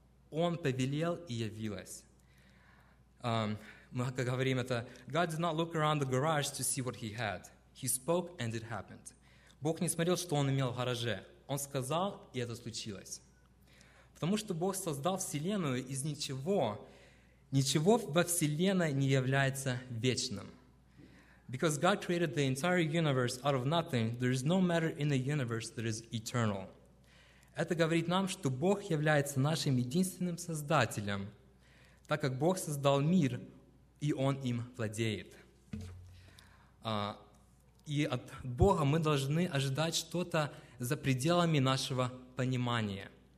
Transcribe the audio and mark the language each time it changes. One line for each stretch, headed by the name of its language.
Russian: Он повелел, и явилось». Мы как говорим это:
English: «God did not look around the garage to see what he had. He spoke, and it happened».
Russian: Бог не смотрел, что Он имел в гараже. Он сказал, и это случилось. Потому что Бог создал Вселенную из ничего, ничего во Вселенной не является вечным.
English: Because God created the entire universe out of nothing, there is no matter in the universe that is eternal.
Russian: Это говорит нам, что Бог является нашим единственным создателем, так как Бог создал мир, и Он им владеет. И от Бога мы должны ожидать что-то за пределами нашего понимания.